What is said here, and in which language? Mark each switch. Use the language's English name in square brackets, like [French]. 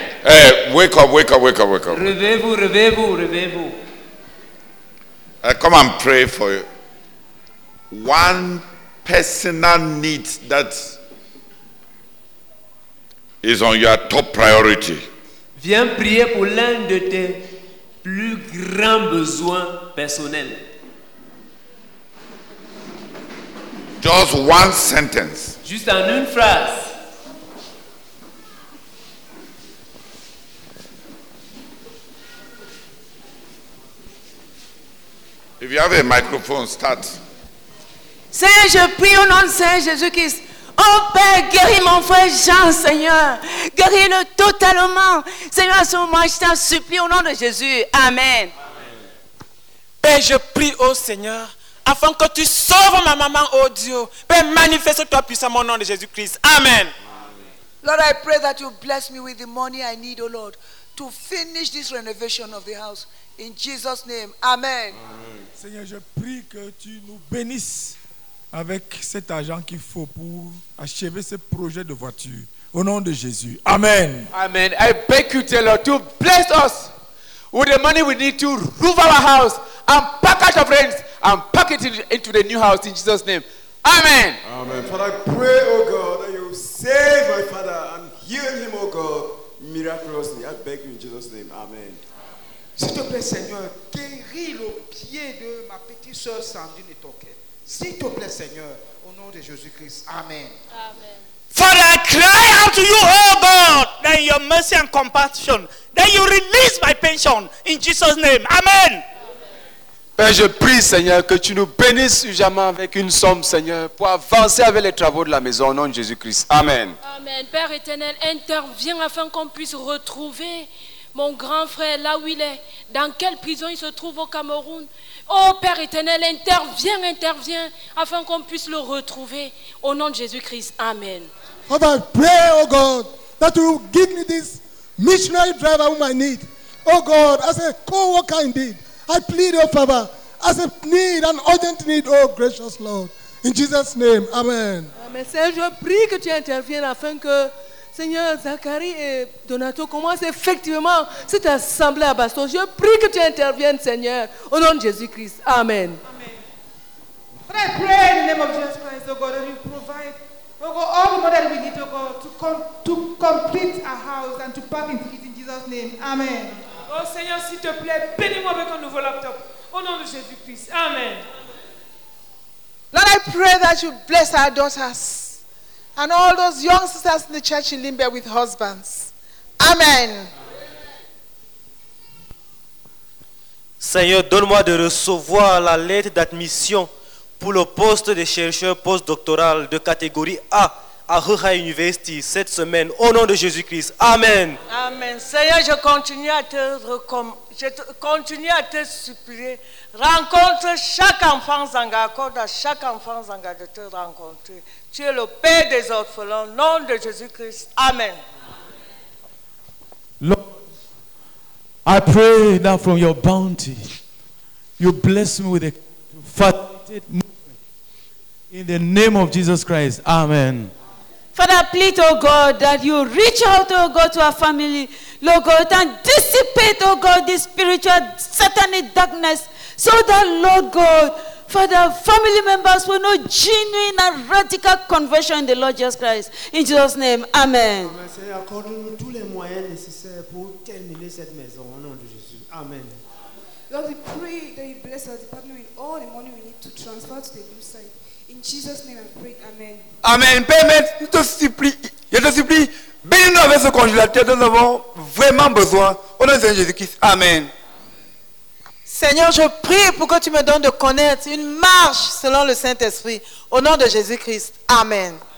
[English] Hey, wake up, wake up, wake up, wake up. [French] Réveillez-vous, réveillez-vous, réveillez-vous. [English] Come and pray for you. One personal need that is on your top priority. [French] Viens prier pour l'un de tes plus grands besoins personnels. [English] Just one sentence. [French] Juste en une phrase. [English] If you have a microphone, start. [French] Seigneur, je prie au nom de Saint Jésus-Christ. Oh Père, guéris mon frère Jean, Seigneur. Guéris-le totalement. Seigneur, à ce moment, je t'en supplie au nom de Jésus. Amen. Amen. Père, je prie au Seigneur, afin que tu sauves ma maman, oh Dieu. Père, manifeste-toi puissamment au nom de Jésus-Christ. Amen. Amen. [English] Lord, I pray that you bless me with the money I need, oh Lord, to finish this renovation of the house. In Jesus' name, amen. Amen. [French] Seigneur, je prie que tu nous bénisses avec cet argent qu'il faut pour achever ce projet de voiture. Au nom de Jésus, amen. Amen. [English] I beg you, dear Lord, to bless us with the money we need to roof our house and package our friends and pack it into the new house in Jesus' name. Amen. Amen. Father, I pray, oh God, that you save my father and heal him, oh God, miraculously. I beg you in Jesus' name, amen. [French] S'il te plaît, Seigneur, guéris le pied de ma petite soeur Sandrine Token. S'il te plaît, Seigneur, au nom de Jésus-Christ. Amen. Amen. [English] Father, I cry out to you, oh God, that your mercy and compassion, that you release my pension in Jesus' name. Amen. Amen. [French] Père, je prie, Seigneur, que tu nous bénisses jamais avec une somme, Seigneur, pour avancer avec les travaux de la maison au nom de Jésus-Christ. Amen. Amen. Père éternel, interviens afin qu'on puisse retrouver mon grand frère, là où il est, dans quelle prison il se trouve au Cameroun. Oh Père éternel, interviens, interviens, afin qu'on puisse le retrouver. Au nom de Jésus-Christ, amen. [English] Father, I pray, oh God, that you give me this missionary driver whom I need. Oh God, as a co-worker indeed, I plead your favor, as a need, an urgent need, oh gracious Lord. In Jesus' name, amen. Amen. [French] Seigneur, je prie que tu interviennes afin que Seigneur, Zachary et Donato commencent effectivement cette assemblée à Baston. Je prie que tu interviennes, Seigneur, au nom de Jésus-Christ. Amen. [English] Amen. I pray in the name of Jesus Christ, oh God, that you provide, oh God, all the money that we need, oh God, to complete our house and to pack into it in Jesus' name. Amen. [French] Oh Seigneur, s'il te plaît, bénis-moi avec un nouveau laptop. Au nom de Jésus-Christ. Amen. [English] Lord, I pray that you bless our daughters and all those young sisters in the church in Limbe with husbands. Amen. [French] Seigneur, donne-moi de recevoir la lettre d'admission pour le poste de chercheur postdoctoral de catégorie A à Ruha University cette semaine, au nom de Jésus-Christ. Amen. Amen. Seigneur, je continue à te supplier. Rencontre chaque enfant Zanga, accorde à chaque enfant Zanga de te rencontrer. Tu es le Père des orphelins, au nom de Jésus-Christ. Amen. [English] Lord, I pray now from your bounty, you bless me with a facilitated movement. In the name of Jesus Christ, amen. Father, I plead, oh God, that you reach out, oh God, to our family, Lord God, and dissipate, oh God, this spiritual satanic darkness, so that, Lord God, Father, family members will know genuine and radical conversion in the Lord Jesus Christ. In Jesus' name, amen. Amen. [French] Seigneur, accorde-nous tous les moyens nécessaires pour terminer cette maison au nom de Jésus. Amen. [English] Lord, we pray that you bless our department with all the money we need to transfer to the new site. In Jesus' name, I pray. Amen. Amen. [French] Père, je te supplie, bénis-nous avec ce congélateur dont nous avons vraiment besoin. Au nom de Jésus-Christ. Amen. Seigneur, je prie pour que tu me donnes de connaître une marche selon le Saint-Esprit. Au nom de Jésus-Christ. Amen.